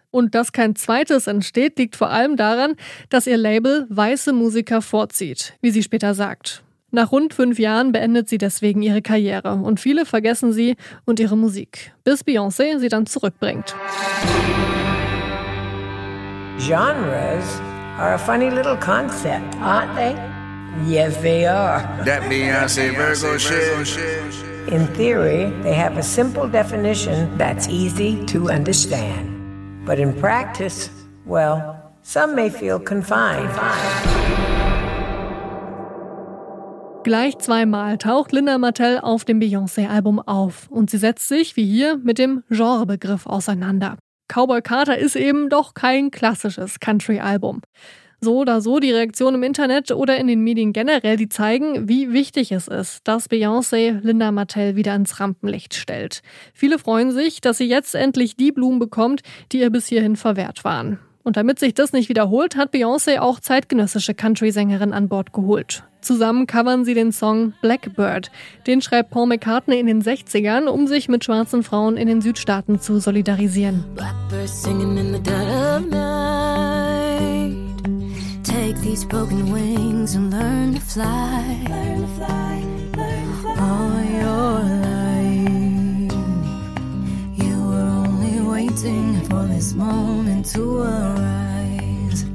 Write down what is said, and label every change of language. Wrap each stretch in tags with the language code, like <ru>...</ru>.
<de>Und dass kein zweites entsteht, liegt vor allem daran, dass ihr Label weiße Musiker vorzieht, wie sie später sagt. Nach rund 5 Jahren beendet sie deswegen ihre Karriere und viele vergessen sie und ihre Musik, bis Beyoncé sie dann zurückbringt.</de> <en>Genres are a funny little concept, aren't they? Yes, they are. That Beyoncé Virgo shit. In theory, they have a simple definition that's easy to understand. But in practice, well, some may feel confined.</en> <de>Gleich zweimal taucht Linda Martell auf dem Beyoncé-Album auf und sie setzt sich, wie hier, mit dem Genrebegriff auseinander. Cowboy Carter ist eben doch kein klassisches Country-Album. so oder so die Reaktion im Internet oder in den Medien generell, die zeigen, wie wichtig es ist, dass Beyoncé Linda Martell wieder ins Rampenlicht stellt. Viele freuen sich, dass sie jetzt endlich die Blumen bekommt, die ihr bis hierhin verwehrt waren. Und damit sich das nicht wiederholt, hat Beyoncé auch zeitgenössische Country-Sängerin an Bord geholt. Zusammen covern sie den Song Blackbird. Den schreibt Paul McCartney in den 60ern, um sich mit schwarzen Frauen in den Südstaaten zu solidarisieren.</de> <en>Blackbird singing in the dead of night. Take these broken wings and learn to fly. All your life. You were only waiting for this moment to arise.</en>